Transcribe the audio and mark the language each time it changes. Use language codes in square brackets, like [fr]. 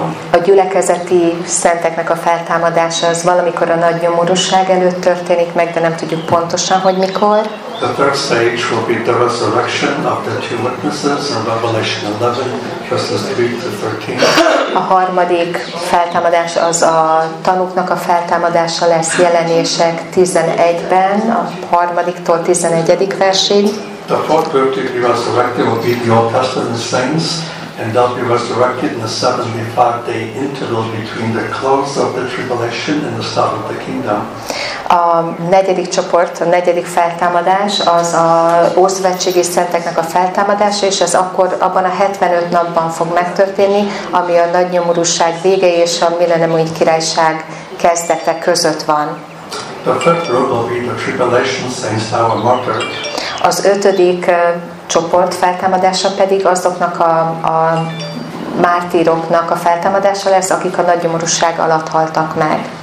[hu] A gyülekezeti szenteknek a feltámadása az valamikor a nagy nyomorúság előtt történik meg, de nem tudjuk pontosan, hogy mikor. [en] The third stage will be the resurrection of the two witnesses in Revelation 11, verses 3-13. [hu] A harmadik feltámadás az a tanúknak a feltámadása lesz Jelenések 11-ben, a harmadiktól 11. versig. [en] The fourth group to be resurrected will be the Old Testament saints, and they'll be resurrected in the 75-day interval between the close of the tribulation and the start of the kingdom. [hu] A negyedik csoport, a negyedik feltámadás az a ószövetségi szenteknek a feltámadása, és ez akkor abban a 75 napban fog megtörténni, ami a nagy nyomorúság vége és a millenniumi királyság kezdete között van. [en] The fifth group will be the tribulation saints now are martyred. [hu] Az ötödik csoport feltámadása pedig azoknak a mártíroknak a feltámadása lesz, akik a nagy nyomorúság alatt haltak meg.